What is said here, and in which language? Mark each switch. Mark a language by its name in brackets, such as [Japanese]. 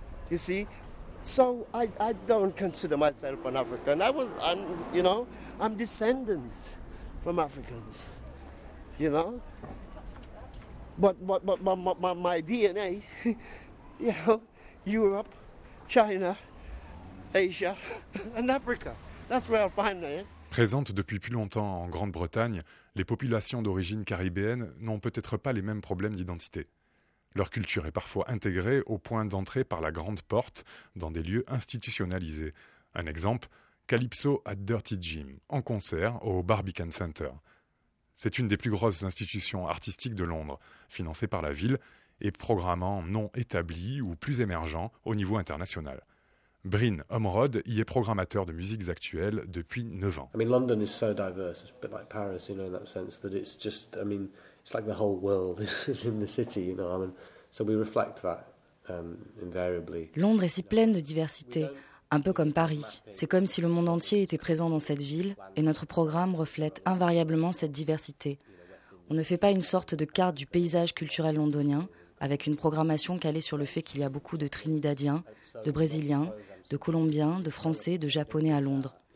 [English] You see, so I don't consider myself an African. I'm descendant from Africans. You know, but my DNA, you know, Europe, China. Asia and Africa. That's where I'll find it. [French] Présentes depuis plus longtemps en Grande-Bretagne, les populations d'origine caribéenne n'ont peut-être pas les mêmes problèmes d'identité. Leur culture est parfois intégrée au point d'entrée par la grande porte dans des lieux institutionnalisés. Un exemple, Calypso at Dirty Jim, en concert au Barbican Center. C'est une des plus grosses institutions artistiques de Londres, financée par la ville et programmant non établis ou plus émergents au niveau international. Bryn Omrod y est programmateur de musiques actuelles depuis 9 ans. [English] I mean, London is so diverse, a bit like Paris, you know, in that sense that it's just, I mean, it's like the whole world is in the city, you know. I mean, so we reflect that invariably. [French] Londres est si pleine de diversité, un peu comme Paris. C'est comme si le monde entier était présent dans cette ville, et notre programme reflète invariablement cette diversité. On ne fait pas une sorte de carte du paysage culturel londonien, avec une programmation calée sur le fait qu'il y a beaucoup de Trinidadiens, de Brésiliens, de Colombiens, de Français, de Japonais à Londres.